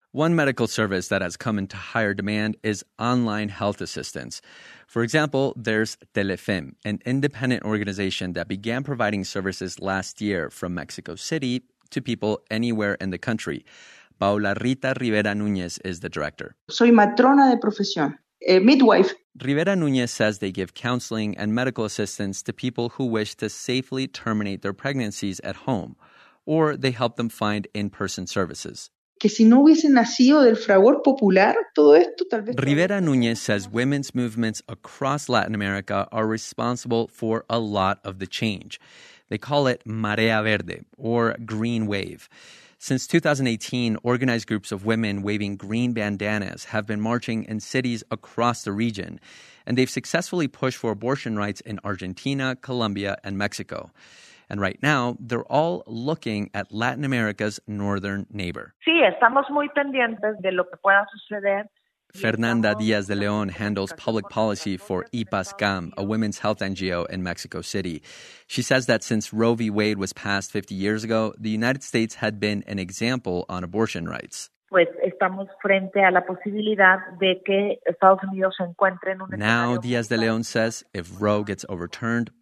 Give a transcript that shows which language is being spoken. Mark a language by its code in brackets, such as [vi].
[en] One medical service that has come into higher demand is online health assistance. For example, there's Telefem, an independent organization that began providing services last year from Mexico City to people anywhere in the country. Paula Rita Rivera Núñez is the director. [es] Soy matrona de profesión, [en] a midwife. Rivera Núñez says they give counseling and medical assistance to people who wish to safely terminate their pregnancies at home, or they help them find in-person services. [es] Que si no hubiese nacido del fragor popular, todo esto tal vez. [en] Rivera Núñez says women's movements across Latin America are responsible for a lot of the change. They call it Marea Verde, or Green Wave. Since 2018, organized groups of women waving green bandanas have been marching in cities across the region, and they've successfully pushed for abortion rights in Argentina, Colombia, and Mexico. And right now, they're all looking at Latin America's northern neighbor. [es] Sí, estamos muy pendientes de lo que pueda suceder. [en] Fernanda Díaz de León handles public policy for IPASCAM, a women's health NGO in Mexico City. She says that since Roe v. Wade was passed 50 years ago, the United States had been an example on abortion rights. Now, Díaz de León says, if Roe gets overturned,